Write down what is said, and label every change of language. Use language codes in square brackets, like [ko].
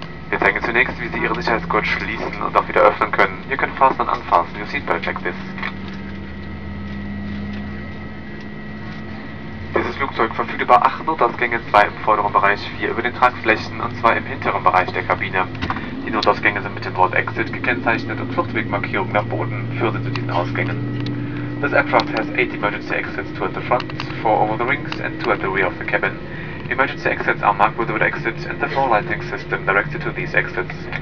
[de] Wir zeigen zunächst, wie Sie Ihren Sicherheitsgurt schließen und auch wieder öffnen können. [en] You can fasten and unfasten your seatbelt like this. [de] Dieses Flugzeug verfügt über 8 Notausgänge, 2 im vorderen Bereich, 4 über den Tragflächen und 2 im hinteren Bereich der Kabine. Die Notausgänge sind mit dem Wort Exit gekennzeichnet und Fluchtwegmarkierungen nach Boden führen Sie zu diesen Ausgängen. [en] This aircraft has 8 emergency exits, 2 at the front, 4 over the wings and 2 at the rear of the cabin. Emergency exits are marked with the red exit and the floor lighting system directed to these exits.